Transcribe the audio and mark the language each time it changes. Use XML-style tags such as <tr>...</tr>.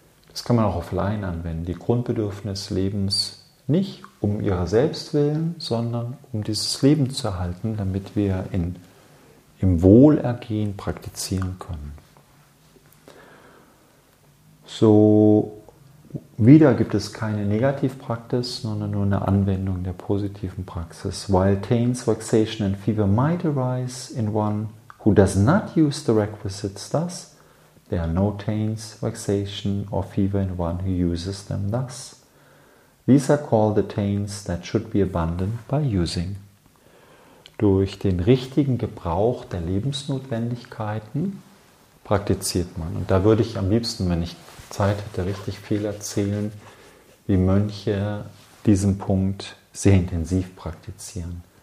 <de>Das kann man auch auf Laien anwenden. Die Grundbedürfnisse des Lebens nicht um ihrer selbst willen, sondern um dieses Leben zu erhalten, damit wir im Wohlergehen praktizieren können. So, wieder gibt es keine Negativpraxis, sondern nur eine Anwendung der positiven Praxis.</de> <en>While pains, vexation and fever might arise in one who does not use the requisites thus, there are no pains, vexation or fever in one who uses them thus. These are called the pains that should be abandoned by using.</en> <de>Durch den richtigen Gebrauch der Lebensnotwendigkeiten praktiziert man. Und da würde ich am liebsten, wenn ich Zeit hätte, richtig viel erzählen, wie Mönche diesen Punkt sehr intensiv praktizieren.</de>